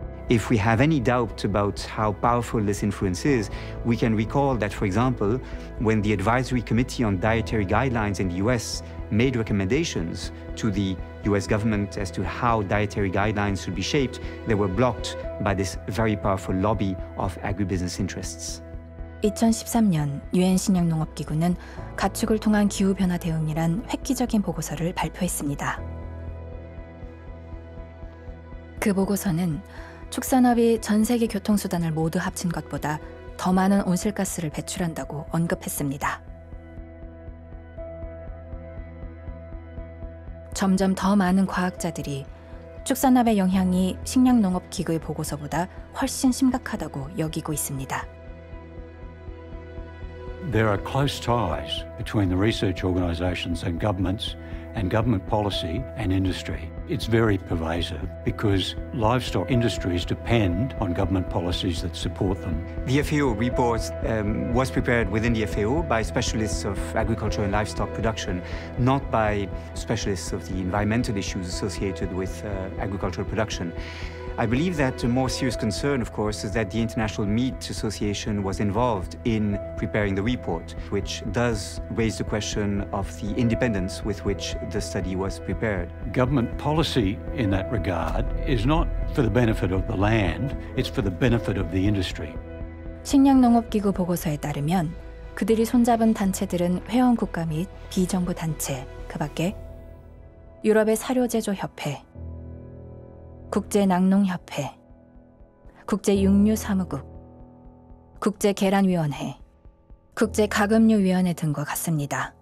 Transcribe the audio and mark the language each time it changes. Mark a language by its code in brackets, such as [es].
[en] If we have any doubt about how powerful this influence is, we can recall that, for example, when the Advisory Committee on Dietary Guidelines in the US made recommendations to the US government as to how dietary guidelines should be shaped, they were blocked by this very powerful lobby of agribusiness interests. [ko] 2013년 UN 식량농업기구는 가축을 통한 기후변화 대응이란 획기적인 보고서를 발표했습니다. 그 보고서는 축산업이 전 세계 교통수단을 모두 합친 것보다 더 많은 온실가스를 배출한다고 언급했습니다. 점점 더 많은 과학자들이 축산업의 영향이 식량농업기구의 보고서보다 훨씬 심각하다고 여기고 있습니다. [en] There are close ties between the research organizations and governments and government policy and industry. It's very pervasive because livestock industries depend on government policies that support them. The FAO report was prepared within the FAO by specialists of agriculture and livestock production, not by specialists of the environmental issues associated with agricultural production. I believe that a more serious concern, of course, is that the International Meat Association was involved in preparing the report, which does raise the question of the independence with which the study was prepared. Government policy in that regard is not for the benefit of the land, it's for the benefit of the industry. [ko] 식량농업기구 보고서에 따르면 그들이 손잡은 단체들은 회원국가 및 비정부 단체, 그 밖에 유럽의 사료제조협회, 국제낙농협회, 국제육류사무국, 국제계란위원회, 국제가금류위원회 등과 같습니다.